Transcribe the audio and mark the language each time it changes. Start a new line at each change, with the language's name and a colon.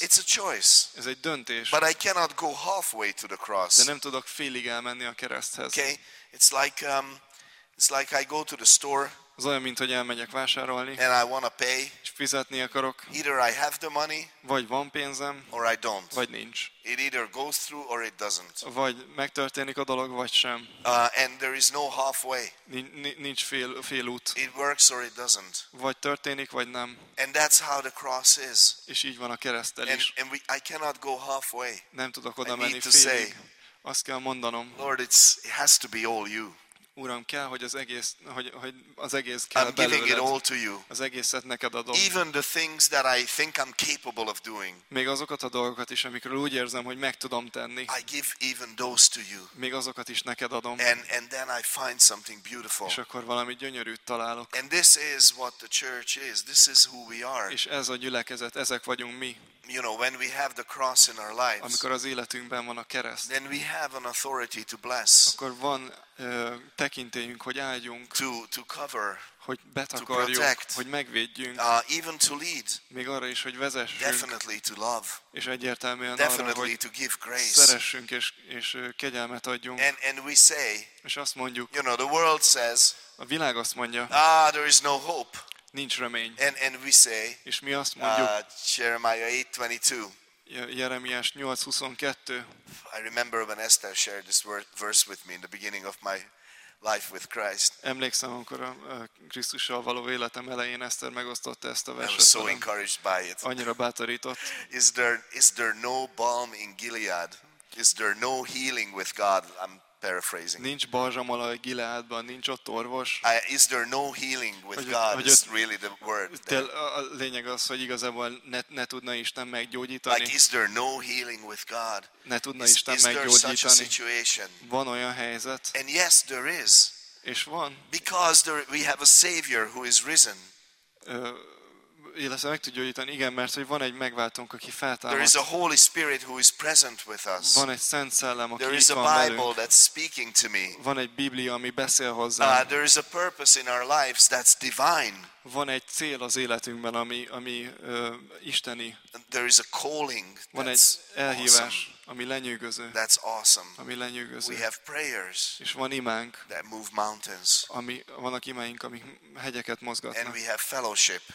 English: But it's a choice.
Hungarian: Ez egy döntés.
English: But I cannot go halfway to the cross.
Hungarian: De nem tudok félig elmenni a kereszthez.
English: Okay, it's like I go to the store.
Hungarian: Az olyan, mint hogy elmegyek vásárolni.
English: And I want to pay.
Hungarian: És fizetni akarok.
English: Either I have the money.
Hungarian: Vagy van pénzem.
English: Or I don't.
Hungarian: Vagy nincs.
English: It either goes through or it doesn't.
Hungarian: Vagy megtörténik a dolog, vagy sem.
English: And there is no halfway.
Hungarian: Nincs fél út.
English: It works or it doesn't.
Hungarian: Vagy történik, vagy nem.
English: And that's how the cross is.
Hungarian: És így van a keresztel is.
English: And I cannot go halfway.
Hungarian: Nem tudok oda menni félig. Azt kell mondanom.
English: Lord, it has to be all you.
Hungarian: Uram, kell, hogy az egész, hogy az egész kell belőled.
English: I'm giving it all to you.
Hungarian: Az egészet neked adom.
English: Even the things that I think I'm capable of doing.
Hungarian: Még azokat a dolgokat is, amikről úgy érzem, hogy meg tudom tenni.
English: I give even those to you.
Hungarian: Még azokat is neked adom.
English: And then I find something beautiful.
Hungarian: És akkor valami gyönyörűt találok.
English: And this is what the church is. This is who we are.
Hungarian: És ez a gyülekezet, ezek vagyunk mi.
English: You know, when we have the cross in our lives.
Hungarian: Amikor az életünkben van a kereszt.
English: Then we have an authority to bless.
Hungarian: Akkor van tekintélyünk, hogy áldjunk,
English: to cover,
Hungarian: hogy betakarjuk,
English: to protect,
Hungarian: hogy megvédjünk,
English: even to lead,
Hungarian: még arra is, hogy vezessünk,
English: definitely to love,
Hungarian: és egyértelműen
English: definitely
Hungarian: arra, hogy
English: to give grace,
Hungarian: szeressünk és kegyelmet adjunk.
English: And we say,
Hungarian: és azt mondjuk,
English: you know, the world says,
Hungarian: a világ azt mondja,
English: there is no hope,
Hungarian: nincs remény.
English: And we say,
Hungarian: és mi azt mondjuk,
English: Jeremiah 8:22.
Hungarian: Jeremiás 8:22.
English: I remember when Esther shared this verse with me in the beginning of my life with Christ.
Hungarian: Emlékszem, amikor a Krisztussal való életem elején Esther megosztotta ezt a verset.
English: I was so encouraged by it.
Hungarian: Annyira bátorított.
English: Is there no balm in Gilead? Is there no healing with God? I'm paraphrasing.
Hungarian: Nincs balzsam a Gileadban, nincs ott orvos.
English: Is there no healing with God? Is really the word.
Hungarian: A lényeg az, hogy igazából ne tudna Isten meggyógyítani.
English: Like, is there no healing with God?
Hungarian: Ne tudna Isten meggyógyítani.
English: Is there such a situation?
Hungarian: Van olyan helyzet.
English: And yes, there is.
Hungarian: És van.
English: Because we have a Savior who is risen.
Hungarian: illetve meg tud gyógyítani. Igen, mert hogy van egy megváltónk, aki feltámadt.
English: There is a Holy Spirit who is present with us.
Hungarian: Van egy Szent Szellem, aki
English: there is
Hungarian: itt
English: a
Hungarian: van
English: Bible
Hungarian: velünk.
English: That's speaking to me.
Hungarian: Van egy Biblia, ami beszél hozzám.
English: There is a purpose in our lives that's divine.
Hungarian: Van egy cél az életünkben, ami isteni.
English: There is a calling.
Hungarian: Van egy elhívás,
English: awesome.
Hungarian: Ami lenyűgöző.
English: That's awesome.
Hungarian: Ami lenyűgöző.
English: We have prayers.
Hungarian: És van imánk.
English: That move mountains.
Hungarian: Ami vannak imáink, amik hegyeket mozgatnak.
English: And we have fellowship.